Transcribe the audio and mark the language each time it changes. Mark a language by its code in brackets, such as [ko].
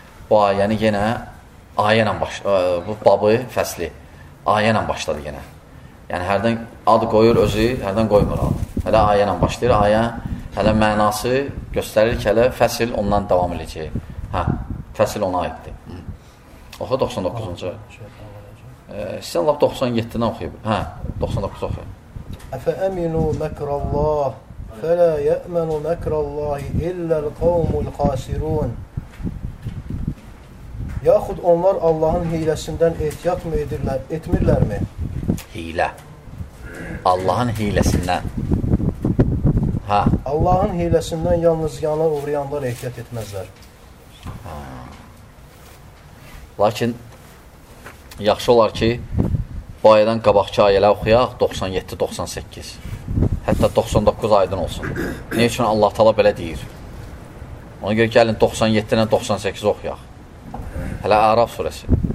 [az] Bu ayeni yine ayenle bu babı fəsli ayenle başladı yine. Yani hərdən adı qoyur özü, hərdən qoymur adı. Hələ ayenle başlayır. Ayə hələ mənası göstərir ki, hələ fəsil ondan davam edəcək. Hə, fəsil ona aiddir. Oxu 99. Sizden Allah 97'den okuyayım. Ha, 99 okuyayım. [ar] اَفَأَمِنُوا مَكْرَ اللّٰهِ فَلَا يَأْمَنُوا مَكْرَ اللّٰهِ اِلَّا الْقَوْمُ الْخَاسِرُونَ [az] Yahut onlar Allah'ın hilesinden ehtiyat mı edirler, etmirler mi? Hile. Allah'ın hilesinden. Ha. Allah'ın hilesinden yalnız yana uğrayanlar ehtiyat etmezler. Ha. Lakin yaxşı olar ki, bu ayədən qabaqçı ayələ oxuyaq, 97-98, hətta 99 aydın olsun. Ne üçün Allah Tala belə deyir? Ona görə gəlin 97-98 oxuyaq. Hələ Araf surəsi.